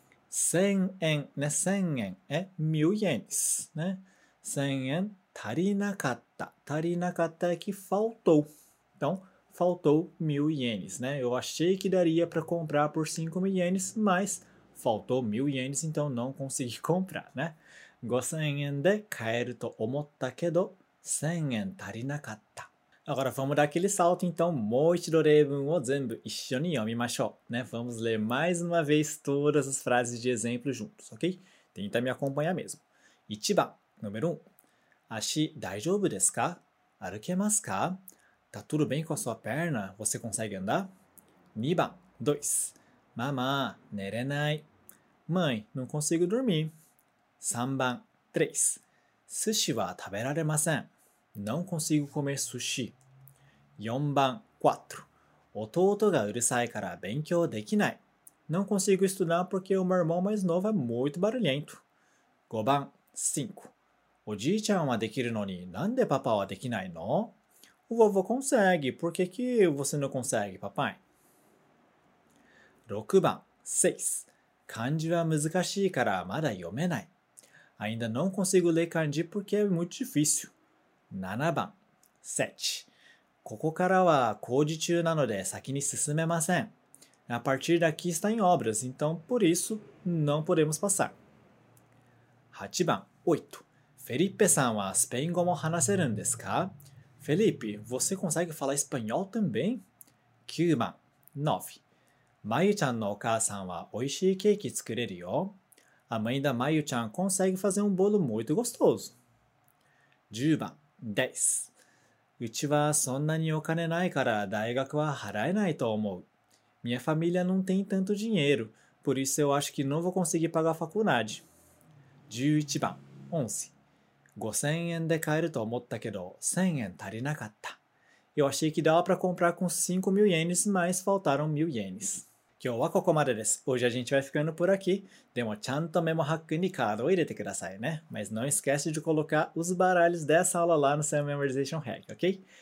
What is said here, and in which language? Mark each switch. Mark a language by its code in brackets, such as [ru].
[pt] 1000 yen, né? 1000 yen é mil ienes, né? [ja] 1000 yen tarinakatta. [pt] Tarinakatta é que faltou. Então, faltou mil ienes, né? Eu achei que daria para comprar por 5 mil ienes, mas faltou 1,000 ienes, então não consegui comprar, né? [ja] 5,000 ienes de 買えると思ったけど 1,000 円足りなかった。 [pt] Agora vamos dar aquele salto, então, [ja] もう一度例文を全部一緒に読みましょう、 [pt] né? Vamos ler mais uma vez todas as frases de exemplo juntos, ok? Tenta me acompanhar mesmo. [ja] 1番、 [pt] número 1. [ja] 足大丈夫ですか? 歩けますか? [pt] Tá tudo bem com a sua perna? Você consegue andar? [ja] 2番、2. ママ、寝れない。 [pt] Mãe, não consigo dormir. [ja] 3番、3. 寿司は食べられません。 [pt] Não consigo comer sushi. [ja] 4番 4. 弟がうるさいから勉強できない。 [pt] Não consigo estudar porque o meu irmão mais novo é muito barulhento. [ja] 5番 5. おじいちゃんはできるのになんでパパはできないの? [pt] O vovô consegue. Por que que você não consegue, papai? [ja] 6番 6. 漢字は難しいからまだ読めない。 [pt] Ainda não consigo ler 漢字 porque é muito difícil. [ja] 7番 7. ここからは工事中なので先に進めません。 [pt] A partir daqui está em obras, então por isso não podemos passar. [ja] 8番 8. Felipe さんはスペイン語も話せるんですか? [pt] Felipe, você consegue falar espanhol também? [ja] 9番 9. Mayu ちゃんのお母さんはおいしいケーキ作れるよ。 [pt] A mãe da Mayu ちゃん consegue fazer bolo muito gostoso. [ja] 10番10. うちはそんなにお金ないから大学は払えないと思う。 [pt] Minha família não tem tanto dinheiro, por isso eu acho que não vou conseguir pagar a faculdade. [ja] 11番 11. 5,000 円で買えると思ったけど 1,000 円足りなかった。 [pt] Eu achei que dava para comprar com 5,000 ienes, mas faltaram 1,000 ienes. [ja] 今日はここまでです。 [pt] Hoje a gente vai ficando por aqui. [ja] でもちゃんとメモハックにカードを入れてくださいね。 [pt] Mas não esquece de colocar os baralhos dessa aula lá no seu Memorization Hack, ok?